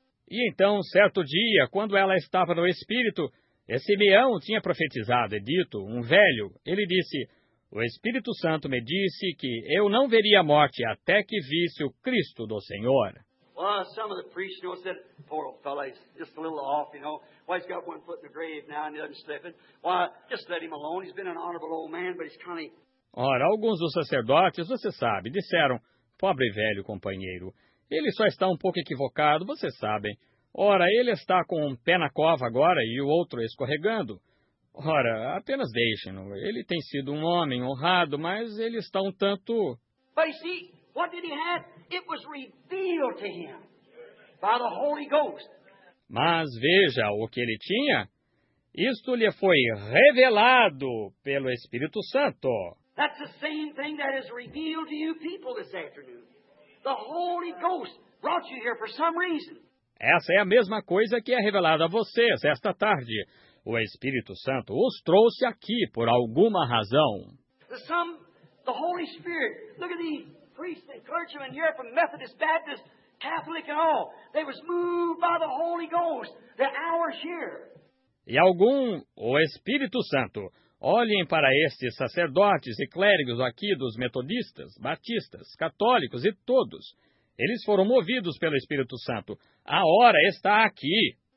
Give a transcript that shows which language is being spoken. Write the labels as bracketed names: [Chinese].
[Portuguese] E então, certo dia, quando ela estava no Espírito, e Simeão tinha profetizado e dito, um velho, ele disse... O Espírito Santo me disse que eu não veria a morte até que visse o Cristo do Senhor. [English] Well, some of the priests, you know, said, poor old fellow, he's just a little off, you know. Well, he's got one foot in the grave now and the other slipping. Well, just let him alone. He's been an honorable old man, but he's kind of... [Portuguese] Ora, alguns dos sacerdotes, você sabe, disseram, pobre velho companheiro, ele só está um pouco equivocado, vocês sabem. Ora, ele está com um pé na cova agora e o outro escorregando. Ora, apenas deixem-no. Ele tem sido um homem honrado, mas ele está um tanto... [English] But you see, what did he have? It was revealed to him by the Holy Ghost. [Portuguese] Mas veja o que ele tinha. Isto lhe foi revelado pelo Espírito Santo. [English] That's the same thing that is revealed to you people this afternoon. The Holy Ghost brought you here for some reason. [Portuguese] Essa é a mesma coisa que é revelada a vocês esta tarde. O Espírito Santo os trouxe aqui por alguma razão. [English] The Holy Spirit, look at these priests and clergymen here from Methodist, Baptist, Catholic and all. They was moved by the Holy Ghost. The hour's here. [Portuguese] E algum, o Espírito Santo, Olhem para estes sacerdotes e clérigos aqui dos metodistas, batistas, católicos e todos. Eles foram movidos pelo Espírito Santo. A hora está aqui.